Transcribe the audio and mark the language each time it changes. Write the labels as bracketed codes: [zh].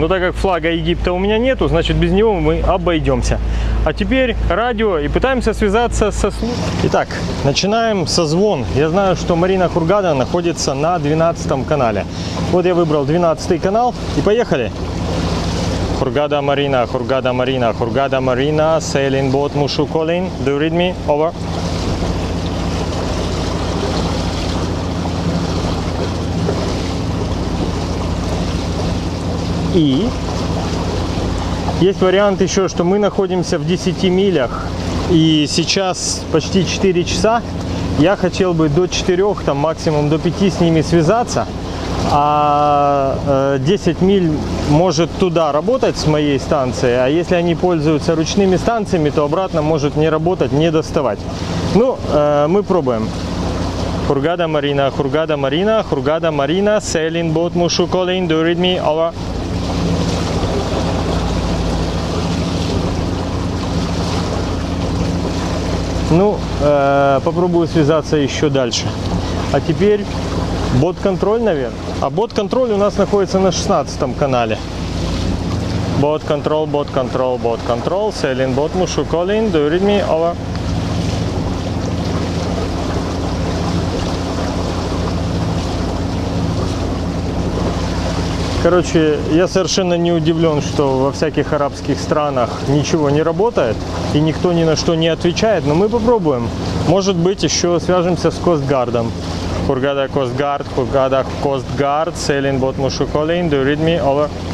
[ru] Но так как флага Египта у меня нету, значит, без него мы обойдемся. А теперь радио и пытаемся связаться со службой. Итак, начинаем созвон. Я знаю, что Марина Хургада находится на 12 канале. Вот я выбрал 12 канал и поехали. [en] Хургада Марина, Хургада Марина, Хургада Марина, sailing boat Mushu calling, do you read me? Over. [ru] И есть вариант еще, что мы находимся в 10 милях и сейчас почти 4 часа. Я хотел бы до 4, там максимум до 5 с ними связаться. а 10 миль может туда работать с моей станции, а если они пользуются ручными станциями, то обратно может не работать, не доставать. Ну, мы пробуем. [en] Хургада Марина, Хургада Марина, Хургада Марина, sailing boat Mushu calling, do read me, over. [ru] Ну, попробую связаться еще дальше. А теперь бот-контроль, наверное. А бот-контроль у нас находится на 16 канале. [en] Бот-контроль, бот-контроль, бот-контроль, sailing boat Mushu calling, do read me, over. [ru] Короче, я совершенно не удивлен, что во всяких арабских странах ничего не работает и никто ни на что не отвечает, но мы попробуем. Может быть, еще свяжемся с Coast Guard'ом. [en] Hurghada Coast Guard, Hurghada Coast Guard, sailing boat Mushu calling, do read me, over.